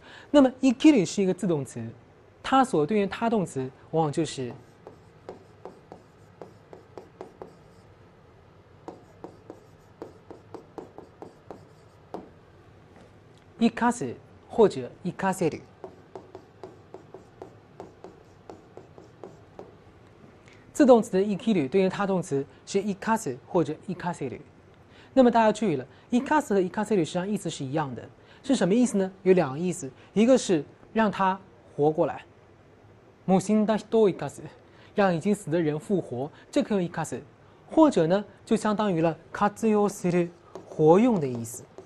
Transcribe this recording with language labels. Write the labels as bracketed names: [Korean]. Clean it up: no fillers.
[Chinese] 那么 生きる 是一个自动词，它所对应的他动词往往就是生かす或者生かせる。自动词的 生きる 对应他动词是 生かす 或者 生かせる。那么大家注意了， 生かす 和 生かせる 实际上意思是一样的。是什么意思呢？有两个意思，一个是让他活过来， [Japanese] もう死んだ人を生かす， [Chinese] 让已经死的人复活，这可以用 生かす， 或者呢就相当于了活用する 活用的意思。